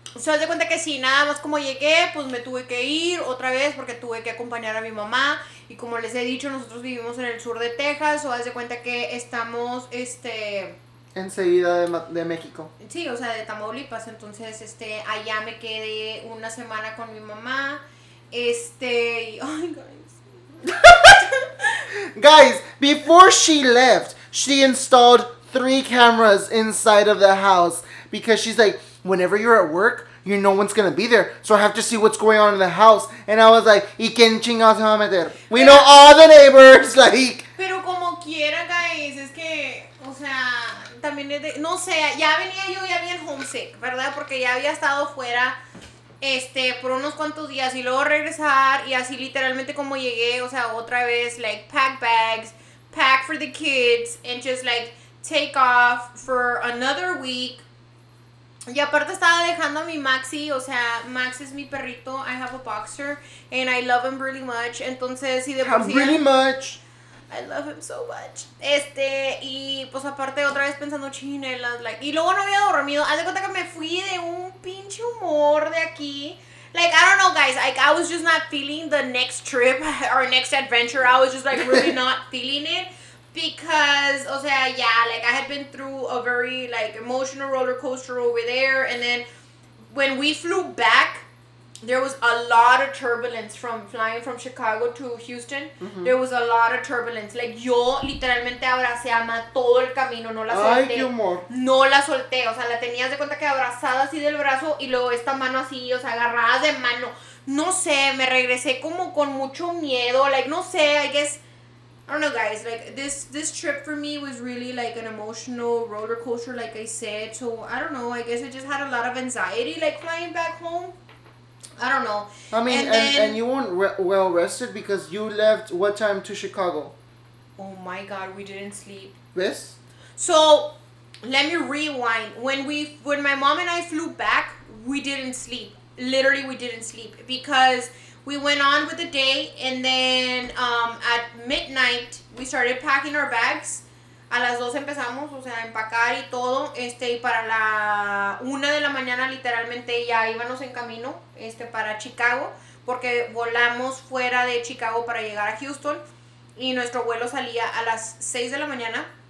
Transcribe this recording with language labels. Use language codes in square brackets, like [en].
[es] Se hace cuenta que sí, nada más como llegué, pues me tuve que ir otra vez porque tuve que acompañar a mi mamá. Y como les he dicho, nosotros vivimos en el sur de Texas, o hace cuenta que estamos, enseguida de México. Sí, o sea, de Tamaulipas. Entonces, allá me quedé una semana con mi mamá. [en] Guys, before she left, she installed 3 cameras inside of the house because she's like, whenever you're at work, no one's gonna be there, so I have to see what's going on in the house. And I was like, [es] ¿y quién chingados se va a meter? [en] We know all the neighbors, like. [es] Pero como quiera, guys, es que, o sea, también es de, no sé, ya venía yo ya bien homesick, ¿verdad? Porque ya había estado fuera. Por unos cuantos días y luego regresar y así literalmente como llegué, o sea, otra vez, [en] like, pack bags, pack for the kids, and just, like, take off for another week. [es] Y aparte estaba dejando a mi Maxi, o sea, Max es mi perrito, [en] I have a boxer, and I love him really much, [es] entonces, y de por sí, [en] really much. I love him so much. [es] Y pues aparte otra vez pensando chinelas, like, y luego no había dormido. Haz de cuenta que me fui de un pinche humor de aquí. [en] Like, I don't know, guys. Like, I was just not feeling the next trip or next adventure. I was just, like, really not feeling it. Because, [es] o sea, [en] yeah, like, I had been through a very, like, emotional roller coaster over there. And then when we flew back, there was a lot of turbulence from flying from Chicago to Houston. Mm-hmm. There was a lot of turbulence. Like, [es] yo literalmente abracé a Ama todo el camino. No la solté. Ay, qué humor. No la solté. O sea, la tenías de cuenta que abrazada así del brazo y luego esta mano así, o sea, agarrada de mano. No sé, me regresé como con mucho miedo. [en] Like, [es] no sé, [en] I guess... I don't know, guys, like, this trip for me was really, like, an emotional roller coaster, like I said, so, I don't know, I guess I just had a lot of anxiety, like, flying back home, I don't know. I mean, and you weren't well-rested because you left, what time, to Chicago? Oh my God, we didn't sleep. This? So, let me rewind, when my mom and I flew back, we didn't sleep, literally, we didn't sleep, because... We went on with the day, and then at midnight, we started packing our bags. [es] A las 2 empezamos, o sea, empacar y todo. Y para la 1 de la mañana, literalmente, ya íbamos en camino para Chicago, porque volamos fuera de Chicago para llegar a Houston, y nuestro vuelo salía a las 6 de la mañana.